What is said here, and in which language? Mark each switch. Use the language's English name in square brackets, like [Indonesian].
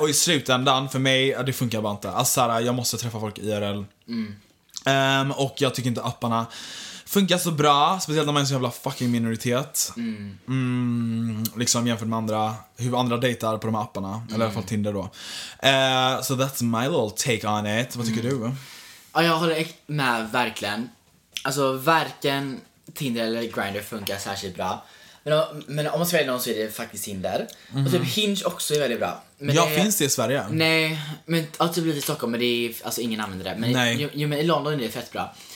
[Swedish] Och i slutändan för mig, det funkar bara inte. Alltså här, jag måste träffa folk IRL. Mm. Och jag tycker inte apparna funkar så bra, speciellt när man är en så jävla fucking minoritet. Liksom jämfört med andra, hur andra dejtar på de här apparna. Eller i alla fall Tinder då. [English] So that's my little take on it. [Swedish] Vad tycker du? Ja, jag håller med verkligen. Alltså varken Tinder eller Grindr funkar särskilt bra. Men om man ska välja någon så är det faktiskt Tinder. Och typ Hinge också är väldigt bra, men ja, det finns det i Sverige? Nej, men alltså typ lite i Stockholm, men det är, alltså ingen använder det. Men men i London är det fett bra.